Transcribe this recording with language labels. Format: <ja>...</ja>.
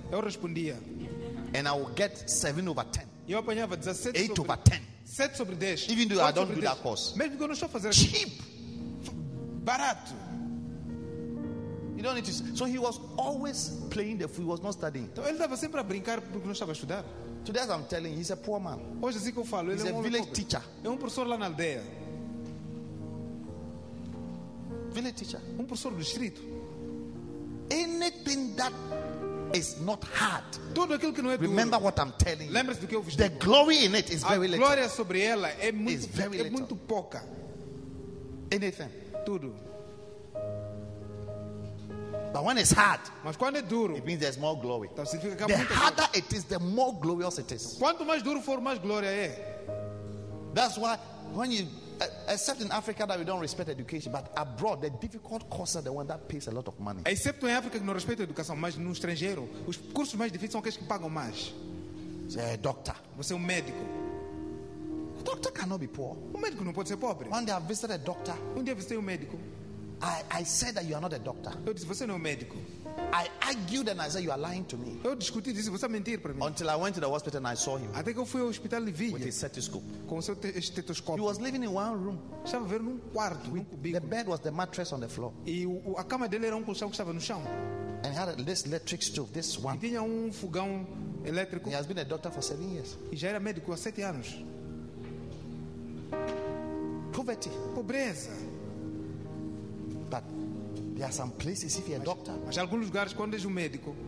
<pt>Eu respondia.</pt> <en>And I will get 7 over 10.</en> <pt>Eu apanhava 17 8 sobre,</pt> <en>over 10.</en> <pt>7 sobre 10.</pt> <en>Even though I don't do 10. That course.</en> <pt>Mesmo que eu não estou a fazer.</pt> <en>Cheap.</en> <pt>Barato.</pt> <en>You don't need to. So he was always playing the fool. He was not studying.</en> <pt>Então ele estava sempre a brincar porque não estava a estudar.</pt> <en>Today, as I'm telling you, he's a poor man.</en> <pt>Hoje assim que eu falo,</pt> <en>he's</en> <pt>ele é</pt> <en>a village teacher.</en> <pt>É professor lá na aldeia.</pt> <en>Village teacher.</en> <pt>Professor do distrito.</pt> <en>Anything that is not hard.</en> <pt>Tudo aquilo que não é duro.</pt> <en>Remember what I'm telling you.</en> <pt>Lembra-se do que eu vos digo.</pt> <en>The glory in it is a very little.</en> <pt>A glória sobre ela é muito,</pt> <en>very little.</en> <pt>É muito pouca.</pt> <en>Anything.</en> <pt>Tudo.</pt> <en>But when it's hard,</en> <pt>mas quando é duro,</pt> <en>it means there's more glory.</en> <pt>Então significa que</pt> <en>the harder it is, the more glorious it is.</en> <pt>Quanto mais duro for, mais glória é.</pt> <en>That's why when you, except in Africa that we don't respect education, but abroad the difficult courses are the one that pays a lot of money.</en> <pt>Excepto em África que não respeita a educação, mas no estrangeiro os cursos mais difíceis são aqueles que pagam mais. Você é doctor. Você é médico.</pt> <en>A doctor cannot be poor.</en> <pt>Médico não pode ser pobre.</pt> <en>One day I visited a doctor.</en> <pt>Dia visitei médico.</pt> <en>I said that you are not a doctor.</en> <pt>Eu disse, você não é médico.</pt> <en>I argued and I said you are lying to me.</en> <pt>Eu discuti, disse, você mentir para mim.</pt> <en>Until I went to the hospital and I saw him.</en> <pt>Até que eu fui ao hospital e vi.</pt> <en>With his stethoscope.</en> <pt>Com seu estetoscópio.</pt> <en>He was living in one room.</en> <pt>Estava a ver num quarto, num cubículo.</pt> <en>The bed was the mattress on the floor.</en> <pt>E a cama dele era colchão que estava no chão.</pt> <en>And he had this electric stove, this one.</en> <pt>E tinha fogão elétrico.</pt> <en>He has been a doctor for 7 years.</en> <pt>E já era médico há 7 anos.</pt> <en>Poverty.</en> <pt>Pobreza.</pt> <en>But there are some places if you're a doctor.</en> <pt>Mas alguns lugares quando és médico.</pt>